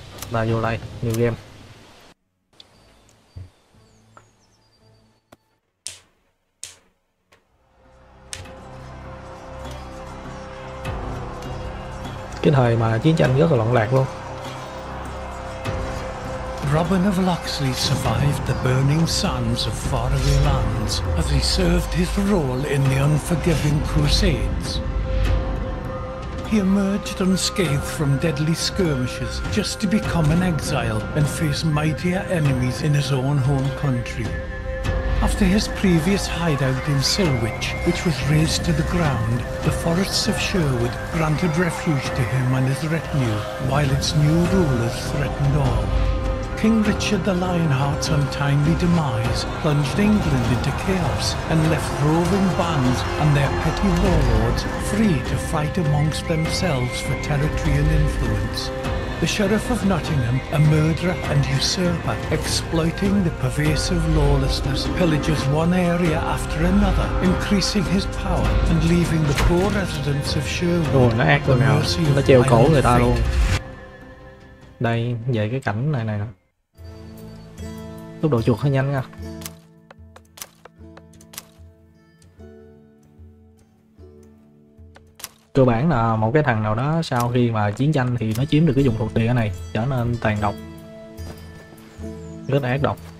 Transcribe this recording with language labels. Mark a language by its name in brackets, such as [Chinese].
[Vietnamese] Là vô lại nhiều game. Cái thời mà chiến tranh rất là loạn lạc luôn. [English] Robin of Locksley survived the burning sands of faraway lands as he served his role in the Unforgiving Crusades. He emerged unscathed from deadly skirmishes just to become an exile and face mightier enemies in his own home country. After his previous hideout in Silwich, which was razed to the ground, the forests of Sherwood granted refuge to him and his retinue while its new rulers threatened all. King Richard the Lionheart's untimely demise plunged England into chaos and left roving bands and their petty warlords free to fight amongst themselves for territory and influence. The Sheriff of Nottingham, a murderer and usurper, exploiting the pervasive lawlessness, pillages one area after another, increasing his power and leaving the poor residents of Sherwood at the mercy of iron fate. [Vietnamese] Đây, về cái cảnh này này nè. Tốc độ chuột hơi nhanh nha. cơ bản là một cái thằng nào đó sau khi mà chiến tranh thì nó chiếm được cái vùng thuộc địa này, trở nên tàn độc, rất là ác độc.